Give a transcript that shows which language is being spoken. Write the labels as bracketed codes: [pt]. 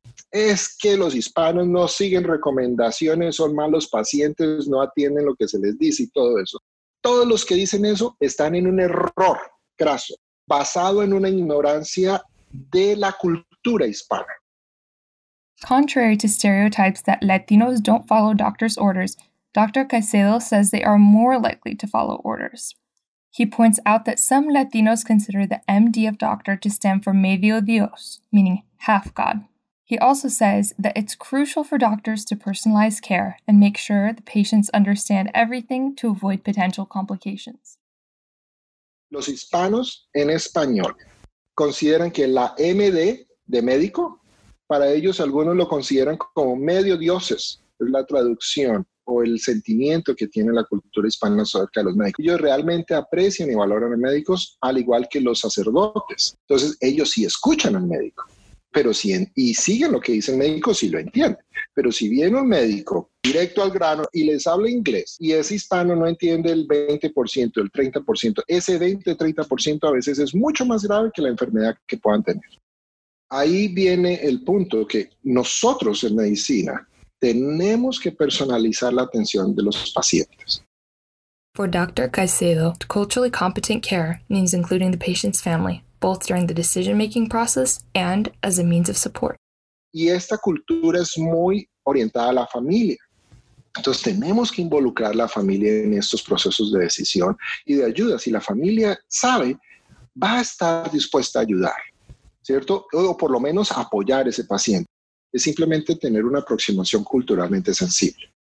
[es] Es que los hispanos no siguen recomendaciones, son malos pacientes, no atienden lo que se les dice y todo eso. Todos los que dicen eso están en un error craso, basado en una ignorancia de la cultura hispana. [en] Contrary to stereotypes that Latinos don't follow doctors' orders, Dr. Caicedo says they are more likely to follow orders. He points out that some Latinos consider the MD of doctor to stem from [es] medio Dios, [en] meaning half God. He also says that it's crucial for doctors to personalize care and make sure the patients understand everything to avoid potential complications. [es] Los hispanos en español consideran que la MD de médico, para ellos algunos lo consideran como medio dioses, es la traducción o el sentimiento que tiene la cultura hispana acerca de los médicos. Ellos realmente aprecian y valoran a los médicos, al igual que los sacerdotes. Entonces, ellos sí escuchan al médico, pero sí y siguen lo que dice el médico, sí lo entienden. Pero si viene un médico directo al grano y les habla inglés, y ese hispano no entiende el 20%, el 30%, ese 20, 30% a veces es mucho más grave que la enfermedad que puedan tener. Ahí viene el punto que nosotros en medicina tenemos que personalizar la atención de los pacientes. [en] For Dr. Caicedo, culturally competent care means including the patient's family, both during the decision-making process and as a means of support. [es] Y esta cultura es muy orientada a la familia. Entonces tenemos que involucrar a la familia en estos procesos de decisión y de ayuda. Si la familia sabe, va a estar dispuesta a ayudar, ¿cierto? O por lo menos apoyar a ese paciente. Es simplemente tener una aproximación culturalmente sensible.